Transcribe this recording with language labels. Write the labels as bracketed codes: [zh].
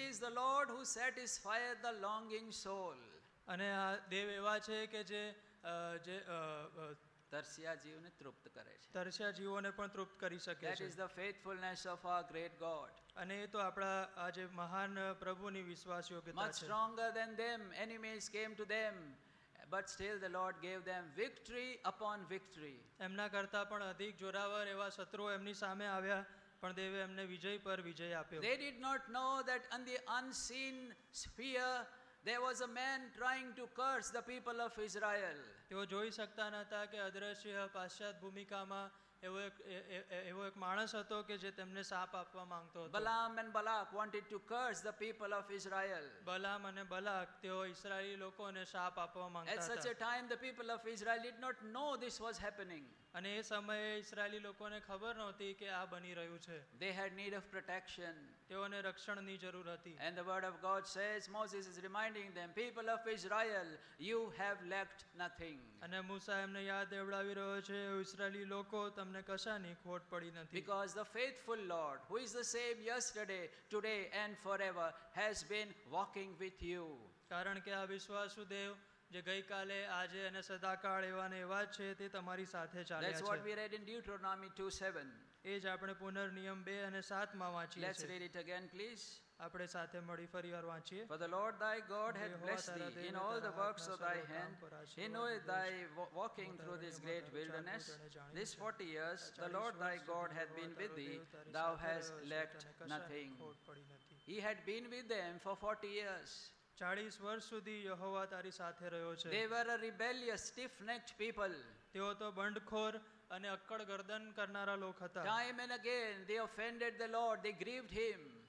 [en] Yes, he is the Lord who satisfies the longing soul. [gu] અને આ દેવ એવા છે કે જે જે તરસ્યા જીવને તૃપ્ત કરે છે. તરસ્યા જીવોને પણ તૃપ્ત કરી શકે છે. [en] That is the faithfulness of our great God. [gu] અને એ તો આપણા આ જે મહાન પ્રભુની વિશ્વાસ યોગ્યતા છે. [en] Much stronger than them, enemies came to them, but still the Lord gave them victory upon victory. [gu] એમના કરતા પણ અધિક જોરાવર એવા શત્રુઓ એમની સામે આવ્યા, પણ દેવે એમને વિજય પર વિજય આપ્યો. [en] They did not know that on the unseen sphere there was a man trying to curse the people of Israel. [gu] તેઓ જોઈ શકતા નહોતા કે અદ્રશ્ય પાશ્ચાત ભૂમિકામાં એવો એક માણસ હતો કે જે તેમને શાપ આપવા માંગતો હતો. [en] Balaam and Balak wanted to curse the people of Israel. [gu] બલામ અને બલાક તેઓ ઇસરાયલી લોકોને શાપ આપવા માંગતા હતા. [en] At such a time the people of Israel did not know this was happening. [gu] અને એ સમયે ઇસરાયલી લોકોને ખબર નહોતી કે આ બની રહ્યું છે. [en] They had need of protection. [gu] તેઓને રક્ષણની જરૂર હતી. [en] And the word of God says Moses is reminding them, people of Israel, you have lacked nothing. [gu] અને મૂસા એમને યાદ દેવડાવી રહ્યો છે, ઇસરાયલી લોકો તમને કશાની ખોટ પડી નથી. [en] Because the faithful Lord, who is the same yesterday, today and forever, has been walking with you. [gu] કારણ કે આ વિશ્વાસુ દેવ જે ગઈકાલે આજે અને સદાકાળ એવા ને એવા જ છે, તે તમારી સાથે ચાલે છે. [en] That's what we read in Deuteronomy 2:7. [gu] એ જ આપણે પુનર્નિયમ 2 અને 7 માં વાંચીએ છીએ. [en] Let's read it again please. [gu] આપણે સાથે મળી ફરીવાર વાંચીએ. [en] For the Lord thy God hath blessed thee in all the works of thy hand. He knoweth thy walking through this great wilderness. This 40 years the Lord thy God hath been with thee. Thou hast lacked nothing. He had been with them for 40 years. [gu] 40 વર્ષ સુધી યહોવા તારી સાથે રહ્યો છે. [en] They were a rebellious, stiff-necked people. [gu] તેઓ તો બંડખોર અને અક્કડ ગરદન કરનારા લોક હતા. [en] Time and again they offended the Lord, they grieved him.